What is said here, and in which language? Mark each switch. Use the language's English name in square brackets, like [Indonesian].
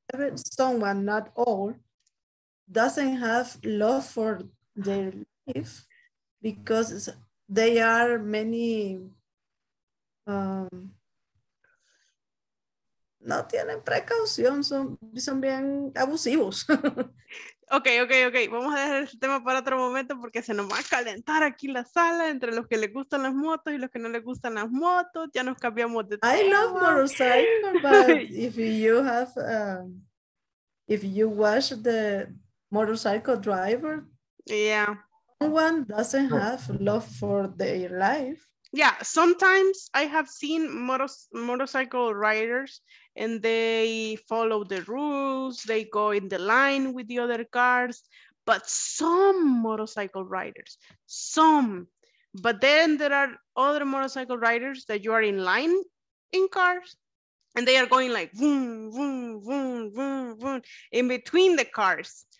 [English] Every someone, not all, doesn't have love for their life because they are many, [Spanish] no tienen precaución, son bien abusivos. [English] Ok. [Spanish] Vamos a dejar el tema para otro momento porque se nos va a calentar aquí la sala entre los que les gustan las motos y los que no les gustan las motos. Ya nos cambiamos de tema. [English] I love motorcycles, but if you have, if you watch the motorcycle driver, yeah, no one doesn't have love for their life. Yeah, sometimes I have seen motorcycle riders and they follow the rules, they go in the line with the other cars, but some motorcycle riders, some, but then there are other motorcycle riders that you are in line in cars and they are going like vroom, vroom, vroom, vroom, vroom in between the cars.